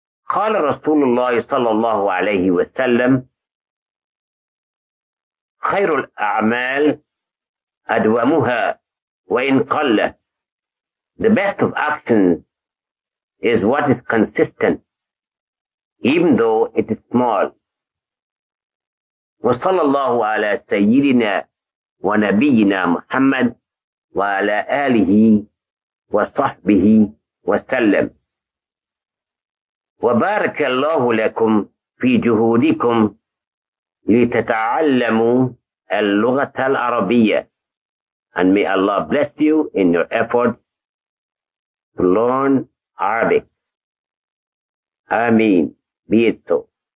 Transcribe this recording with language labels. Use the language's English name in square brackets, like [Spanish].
[Arabic] Qala Rasulullah sallallahu alayhi wa sallam, خير الأعمال أدومها وإن قل. [English] The best of actions is what is consistent, even though it is small. [Arabic] وصلى الله على سيدنا ونبينا محمد وعلى آله وصحبه وسلم. وبارك الله لكم في جهودكم لتتعلموا اللغة العربية. [English] And may Allah bless you in your effort to learn Arabic. Ameen. Be it so.